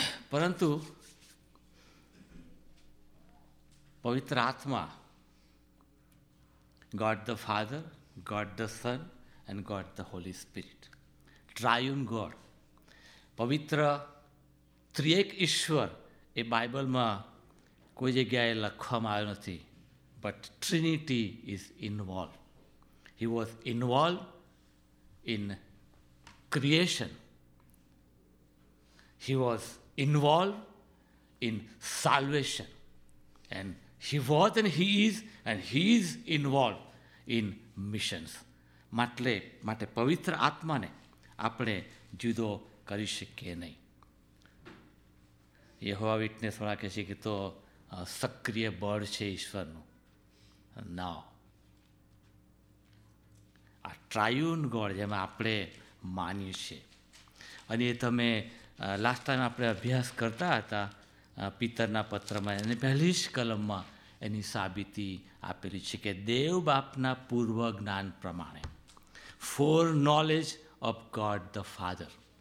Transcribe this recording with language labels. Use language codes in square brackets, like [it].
[gu] પરંતુ પવિત્ર આત્મા, [en] God the Father, God the Son and God the Holy Spirit, triune God, [gu] પવિત્ર ત્રિએક ઈશ્વર, એ બાઇબલમાં કોઈ જગ્યાએ લખવામાં આવ્યો નથી. [en] But Trinity is involved. He was involved in creation. He was involved in salvation. And He was and He is and He is involved in missions. [gu] માટે પવિત્ર આત્માને આપણે જુદો કરી શકીએ નહીં. યહોવા વિટનેસ વાળા કહે છે કે તો સક્રિય બળ છે ઈશ્વરનું. નાઉ આ ટ્રાયુન ગોડ જેમ આપણે માનીએ છીએ, અને એ તમે લાસ્ટ ટાઈમ આપણે અભ્યાસ કરતા હતા પિતરના પત્રમાં, એની પહેલી જ કલમમાં એની સાબિતી આપેલી છે કે દેવ બાપના પૂર્વ જ્ઞાન પ્રમાણે, [en] for knowledge of God the Father,